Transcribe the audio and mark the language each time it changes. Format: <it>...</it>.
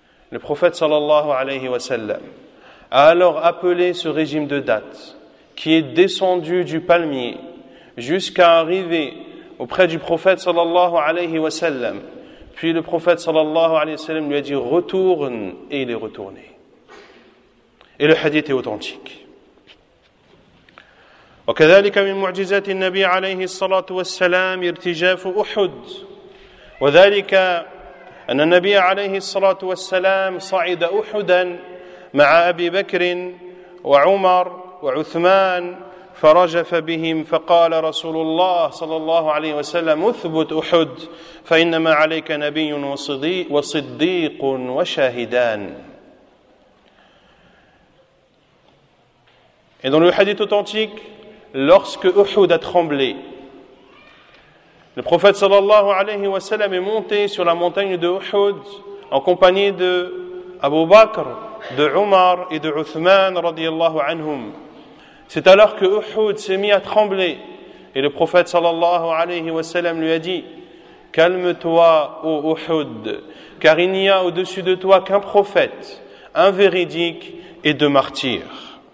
<fr>Le prophète sallallahu alayhi wa sallam a alors appelé ce régime de date qui est descendu du palmier jusqu'à arriver auprès du prophète sallallahu alayhi wa sallam. Puis le prophète sallallahu alayhi wa sallam lui a dit « Retourne » et il est retourné. Et le hadith est authentique.</fr> <ar>وكذلك من معجزات النبي عليه الصلاة والسلام ارتجاف أحد وذلك أن النبي عليه الصلاة والسلام صعد أحدا مع أبي بكر وعمر وعثمان فرجف بهم فقال رسول الله صلى الله عليه وسلم اثبت أحد فإنما عليك نبي وصديق وشاهدان.</ar> <fr>Et dans le hadith authentique, lorsque Uhud a tremblé, le prophète sallallahu alayhi wa sallam est monté sur la montagne de Uhud en compagnie de Abu Bakr, de Umar et de Uthman radiyallahu anhum. C'est alors que Uhud s'est mis à trembler et le prophète sallallahu alayhi wa sallam lui a dit « Calme-toi, ô Uhud, car il n'y a au-dessus de toi qu'un prophète, un véridique et deux martyrs. »</fr>